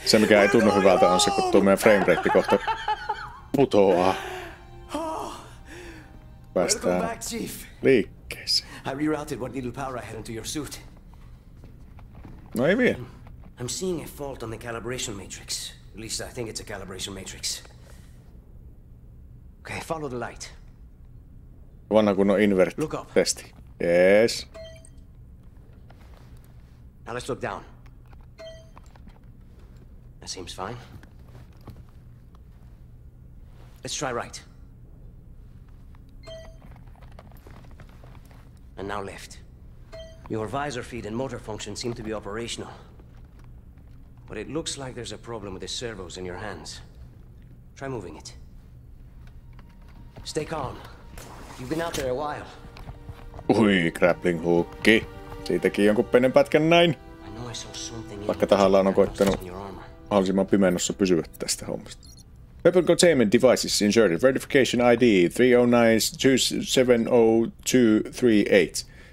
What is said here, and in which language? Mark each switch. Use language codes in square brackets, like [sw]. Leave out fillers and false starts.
[fi] Se, mikä ei tunnu hyvältä, on se, kun tuo meidän framerate kohta putoaa. [en] Welcome back, Chief. I rerouted what little power I had into your suit. [fi] No, ei vielä. [en] I'm seeing a fault on the calibration matrix. At least I think it's a calibration matrix. Okay, follow the light. [fi] Vanha kunnon invert-testi. Yes. [en] Now let's look down. That seems fine. Let's try right. And now left. Your visor feed and motor function seem to be operational. But it looks like there's a problem with the servos in your hands. Try moving it. Stay calm. You've been out there a while. [fi] Ui, grappling hookki. Siitäkin jonkun pienen pätkän näin. Vaikka tahallaan on koittanut mahdollisimman pimennossa pysyä tästä hommasta. [en] Weapon containment devices inserted. Verification ID 309270238.